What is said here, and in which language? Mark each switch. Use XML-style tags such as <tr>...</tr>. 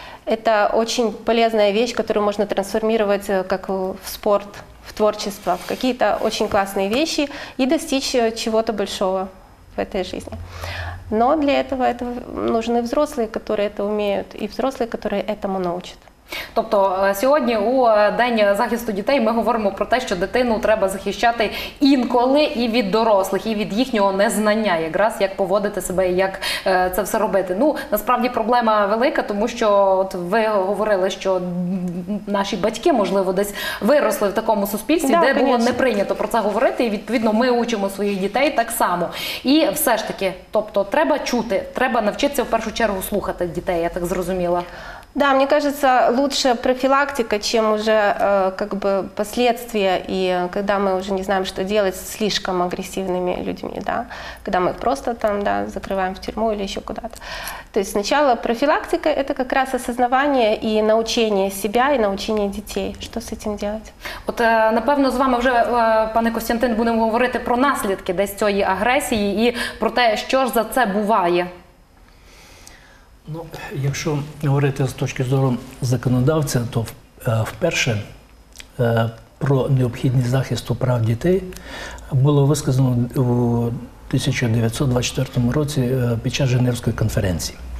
<ru>Это очень полезная вещь, которую можно трансформировать как в спорт, в творчество, в какие-то очень классные вещи и достичь чего-то большого в этой жизни. Но для этого, нужны взрослые, которые это умеют, и взрослые, которые этому научат.</ru> <uk>Тобто сьогодні у День захисту дітей ми говоримо про те, що дитину треба захищати інколи і від дорослих, і від їхнього незнання, якраз як поводити себе і як це все робити. Ну, насправді проблема велика, тому що от ви говорили, що наші батьки, можливо, десь виросли в такому суспільстві, да, де конечно. Було не прийнято про це говорити, і відповідно ми учимо своїх дітей так само. І все ж таки, тобто треба чути, треба навчитися в першу чергу слухати дітей, я так зрозуміла.</uk> <ru>Да, мне кажется, лучше профилактика, чем уже как бы последствия, и когда мы уже не знаем, что делать с слишком агрессивными людьми, да, когда мы их просто там, да, закрываем в тюрьму или еще куда-то. То есть сначала профилактика – это как раз осознавание и научение себя, и научение детей. Что с этим делать?</ru> <uk>Вот, напевно,</uk> <ru>с вами уже,</ru> <uk>пане Костянтин, будем говорить про наслідки десь цієї агресії и про те, що ж за це буває. Ну, якщо говорити з точки зору законодавця, то вперше про необхідність захисту прав дітей було висказано у 1924 році під час Женевської конференції.</uk>